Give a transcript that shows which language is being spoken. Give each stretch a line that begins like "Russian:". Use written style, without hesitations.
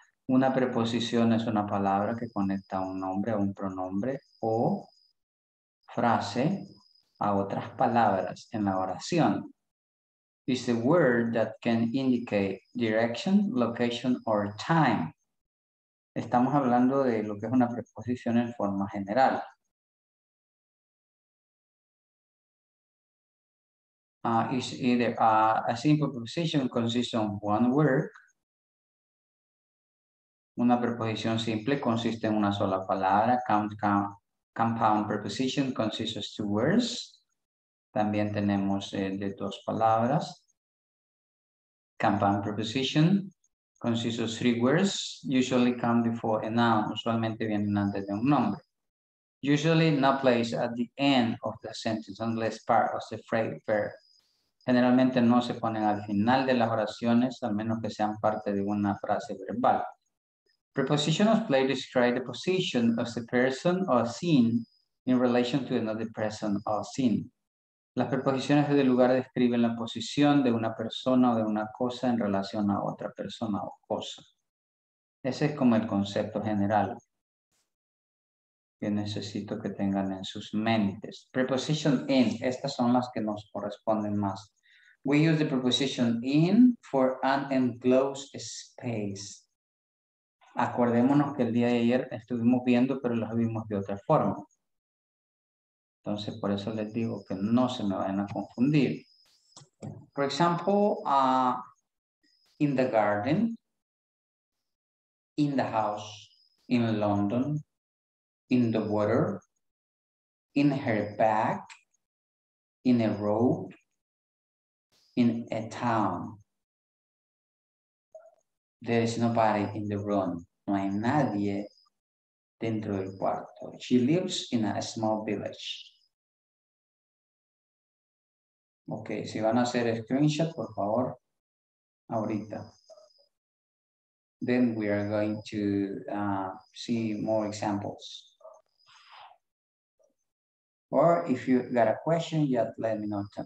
Spanish: Una preposición es una palabra que conecta un nombre a un pronombre o frase a otras palabras en la oración.
English: It's a word that can indicate direction, location, or time.
Spanish: Estamos hablando de lo que es una preposición en forma general.
English: It's either a simple preposition consists of one word.
Spanish: Una preposición simple consiste en una sola palabra.
English: Compound preposition consists of two words.
Spanish: También tenemos de dos palabras.
English: Compound preposition consists of three words, usually come before a noun,
Spanish: usualmente vienen antes de un nombre.
English: Usually not placed at the end of the sentence unless part of the phrase verb.
Spanish: Generalmente no se ponen al final de las oraciones, al menos que sean parte de una frase verbal.
English: Prepositional place describe the position of the person or scene in relation to another person or scene.
Spanish: Las preposiciones de lugar describen la posición de una persona o de una cosa en relación a otra persona o cosa. Ese es como el concepto general que necesito que tengan en sus mentes. Preposition in, estas son las que nos corresponden más.
English: We use the preposition in for an enclosed space.
Spanish: Acordémonos que el día de ayer estuvimos viendo, pero las vimos de otra forma. Entonces, por eso les digo que no se me vayan a confundir.
English: For example, in the garden, in the house, in London, in the water, in her back, in a road, in a town. There is nobody in the room.
Spanish: No hay nadie dentro del cuarto.
English: She lives in a small village.
Spanish: Ok, si van a hacer screenshot, por favor, ahorita.
English: Then we are going to see more examples. Or if you got a question, just let me know.